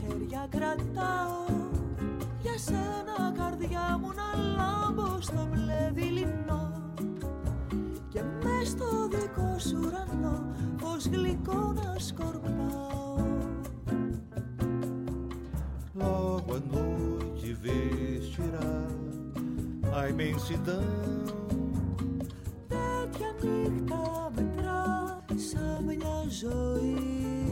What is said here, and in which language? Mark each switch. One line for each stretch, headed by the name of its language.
Greek: Κρατάω για σένα καρδιά μου να λάμπω στο μπλε δειλινό και μες στο δικό σου ουρανό ως γλυκό να σκορπάω. Λόγω
Portuguese: a noite vestirá a imensidão.
Greek: Τέτοια νύχτα μετρά σαν μια ζωή.